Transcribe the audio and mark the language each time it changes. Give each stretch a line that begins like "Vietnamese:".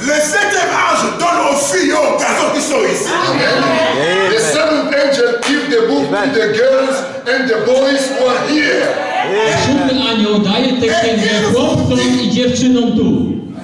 French: Le septième ange donne aux filles aux garçons qui sont ici. Amen.
English: The seventh angel give the book to the girls and the boys who are here.
Polish: Siódmy anioł daje tę księgę chłopcom i dziewczynom tu.